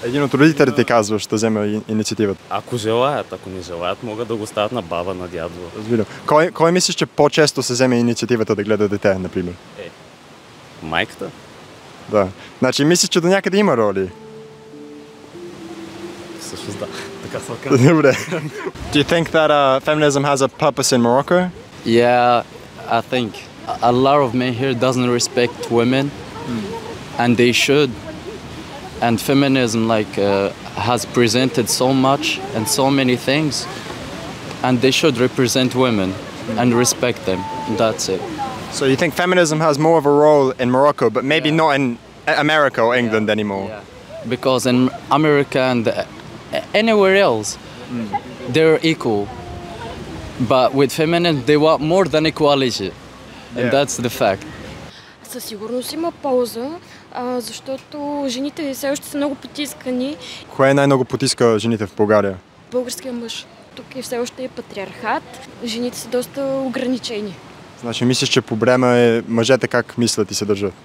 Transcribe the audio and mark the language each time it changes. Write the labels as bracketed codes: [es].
[bg] Един от родителите казва, ще вземе инициативата. Ако желаят, ако не желаят, могат да го оставят на баба, на дядо. Разбирам. Кой мислиш, че по-често се вземе инициативата да гледа дете, например? Майката? Да. Значи мислиш, че до някъде има роли? Всъщност да. Добре. [en] Do you think that feminism has a purpose in Morocco? Yeah, I think a lot of men here doesn't respect women. and they should. And feminism like has presented so much and so many things, and they should represent women and respect them. That's it. So you think feminism has more of a role in Morocco, but maybe not in America or England anymore? Yeah. Because in America and anywhere else, they're equal. But with feminism, they want more than equality. And that's the fact. [bg] Със сигурност има полза, защото жените все още са много потискани. Кое най-много потиска жените в България? Българският мъж. Тук е все още патриархат. Жените са доста ограничени. Значи мислиш, че проблема е мъжете как мислят и се държат?